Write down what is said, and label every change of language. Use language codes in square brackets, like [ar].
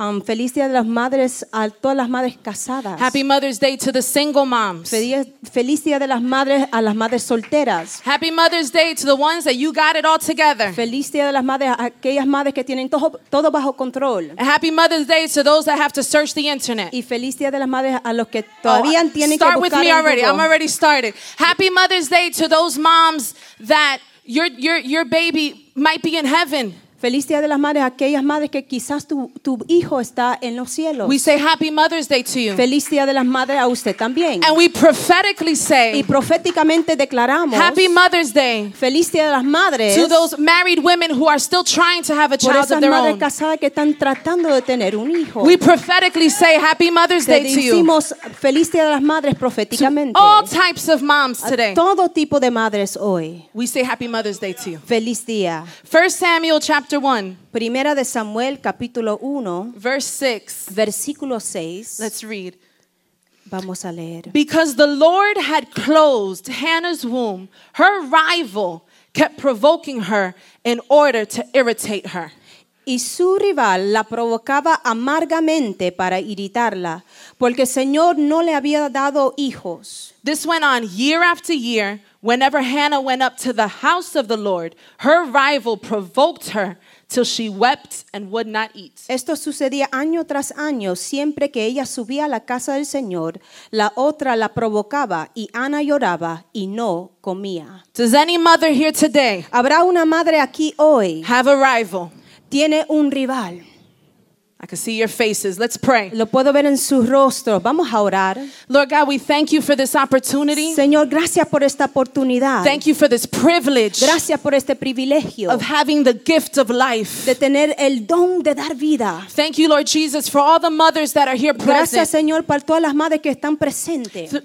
[es] Feliz día de las madres a todas las madres casadas. [en] Happy Mother's Day to the single moms. [es] Feliz día de las madres a las madres solteras. [en] Happy Mother's Day to the ones that you got it all together. [es] Feliz día de las madres a aquellas madres que tienen todo bajo control. [en] Happy Mother's Day to those that have to search the internet. [es] Y feliz día de las madres a los que todavía tienen que buscar. [en] Start with me already. I'm already started. Happy Mother's Day to those moms that your baby might be in heaven. [es] Feliz día de las madres a aquellas madres que quizás tu hijo está en los cielos. [en] We say Happy Mother's Day to you. [es] Feliz día de las madres a usted también. [en] And we prophetically say. [es] Y proféticamente declaramos. [en] Happy Mother's Day. [es] Feliz día de las madres. [en] To those married women who are still trying to have a child of their own. [es] Por esas madres casadas que están tratando de tener un hijo. [en] We prophetically say Happy Mother's Day to you. [es] Te decimos Feliz día de las madres proféticamente. [en] To all types of moms today. [es] A todo tipo de madres hoy. [en] We say Happy Mother's Day to you. [es] Feliz día. [en] 1 Samuel chapter. Chapter 1. [es] Primera de Samuel, capítulo 1. [en] Verse 6. [es] Versículo 6. [en] Let's read. [es] Vamos a leer. [en] Because the Lord had closed Hannah's womb, her rival kept provoking her in order to irritate her. [es] Y su rival la provocaba amargamente para irritarla, porque el Señor no le había dado hijos. [en] This went on year after year. Whenever Hannah went up to the house of the Lord, her rival provoked her till she wept and would not eat. [es] Esto sucedía año tras año, siempre que ella subía a la casa del Señor, la otra la provocaba y Ana lloraba y no comía. [en] Does any mother here today? [es] ¿Habrá una madre aquí hoy? [en] Have a rival. [es] Tiene un rival. [en] I can see your faces. Let's pray. [es] Lo puedo ver en su rostro. Vamos a orar. [en] Lord God, we thank you for this opportunity. [es] Señor, gracias por esta oportunidad. [en] Thank you for this privilege. [es] Gracias por este privilegio. [en] Of having the gift of life. [es] De tener el don de dar vida. [en] Thank you, Lord Jesus, for all the mothers that are here present. [es] Gracias, Señor, para todas las madres que están presentes.